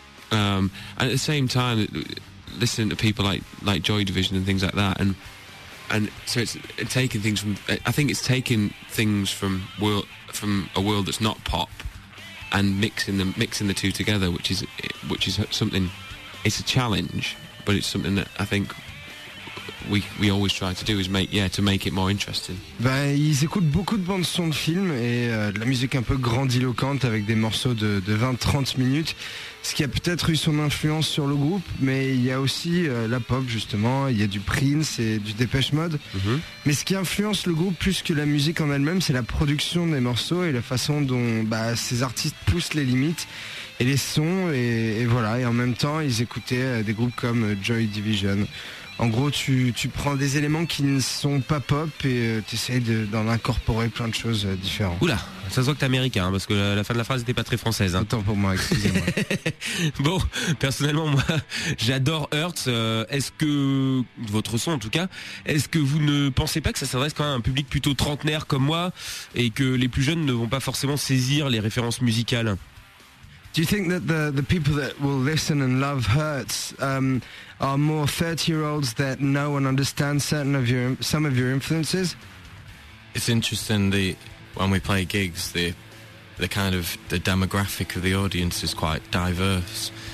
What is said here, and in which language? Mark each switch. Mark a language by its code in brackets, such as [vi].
[en] And at the same time, listening to people like Joy Division and things like that, and so it's taking things from, I think it's taking things from world, from a world that's not pop, and mixing the two together, which is something, it's a challenge, but it's something that I think we always try to do is make it more interesting. [fr] Bah, ils écoutent beaucoup de bandes son de films et de la musique un peu grandiloquente avec des morceaux de 20-30 minutes, ce qui a peut-être eu son influence sur le groupe, mais il y a aussi la pop justement, il y a du Prince et du Depeche Mode. Mm-hmm. Mais ce qui influence le groupe plus que la musique en elle-même, c'est la production des morceaux et la façon dont ces artistes poussent les limites et les sons et voilà, et en même temps ils écoutaient des groupes comme Joy Division. En gros, tu prends des éléments qui ne sont pas pop et t'essayes d'en incorporer plein de choses différentes. Oula, ça se voit que t'es américain, hein, parce que la fin de la phrase n'était pas très française. Hein. Autant pour moi, excusez-moi. Bon, personnellement, moi, j'adore Hurts. Est-ce que, votre son en tout cas, est-ce que vous ne pensez pas que ça s'adresse quand même à un public plutôt trentenaire comme moi et que les plus jeunes ne vont pas forcément saisir les références musicales? [en] Do you think that the people that will listen and love Hurts are more 30-year-olds that know and understand some of your influences? It's interesting that when we play gigs, the kind of the demographic of the audience is quite diverse.